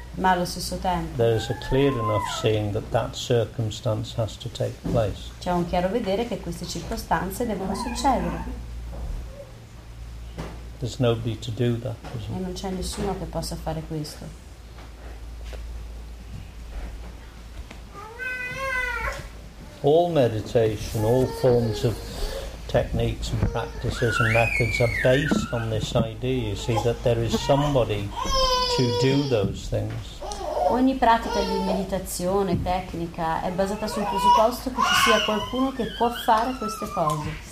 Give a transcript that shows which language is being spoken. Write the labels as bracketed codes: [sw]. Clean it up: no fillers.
[it] ma allo stesso tempo, [en] there is a clear enough seeing that that circumstance has to take place. [it] C'è un chiaro vedere che queste circostanze devono succedere. [en] There's nobody to do that, isn't it? [it] E non c'è nessuno che possa fare questo. [en] All meditation, all forms of techniques and practices and methods are based on this idea, you see, that there is somebody to do those things. [it] Ogni pratica di meditazione, tecnica, è basata sul presupposto che ci sia qualcuno che può fare queste cose.